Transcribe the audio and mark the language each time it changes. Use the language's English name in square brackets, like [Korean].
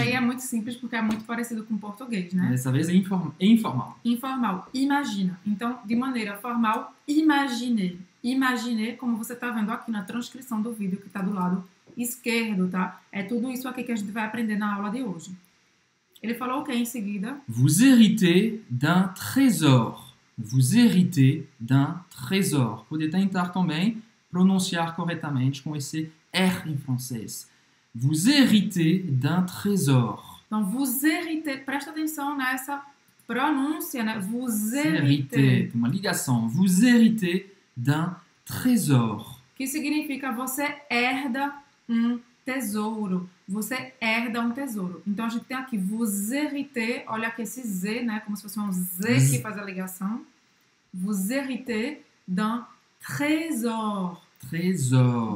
[Portuguese] E aí é muito simples, porque é muito parecido com o português, né? Dessa vez é informal. Informal, imagina. Então, de maneira formal, imagine, como você está vendo aqui na transcrição do vídeo que está do lado esquerdo, tá? É tudo isso aqui que a gente vai aprender na aula de hoje. Ele falou o quê em seguida? [French] Vous héritez d'un trésor. [Portuguese] Pode tentar também pronunciar corretamente com esse R em francês. [French] Vous héritez d'un trésor. [Portuguese] Então, [French] vous héritez, [Portuguese] presta atenção nessa pronúncia, né? [French] Vous héritez. [Portuguese] Uma ligação. [French] Vous héritez d'un trésor. [Portuguese] Que significa você herda um tesouro. Você herda um tesouro. Então, a gente tem aqui, [French] vous héritez, [Portuguese] olha aqui esse Z, né? Como se fosse um Z que faz a ligação. [French] Vous héritez d'un trésor. Trésor.